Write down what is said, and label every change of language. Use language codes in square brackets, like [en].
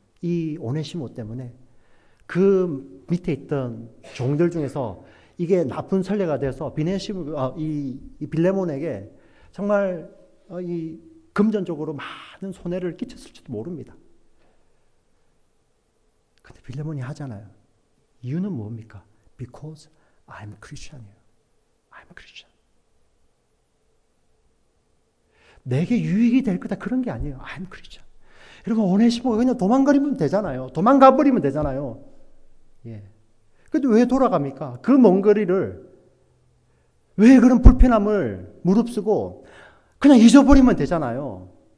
[ko] 이 오네시모 때문에 그 밑에 있던 종들 중에서 이게 나쁜 선례가 돼서 이 빌레몬에게 정말 이 금전적으로 많은 손해를 끼쳤을지도 모릅니다. 근데 빌레몬이 하잖아요. 이유는 뭡니까? [en] Because I'm Christian이에요. I'm Christian. [ko] 내게 유익이 될 거다 그런 게 아니에요. [en] I'm Christian. [ko] 여러분, 오네시모가 그냥 도망가리면 되잖아요. 도망가 버리면 되잖아요. 예. 그래도 왜 돌아갑니까? 그먼 거리를, 왜 그런 불편함을 무릅쓰고 그냥 잊어버리면 되잖아요.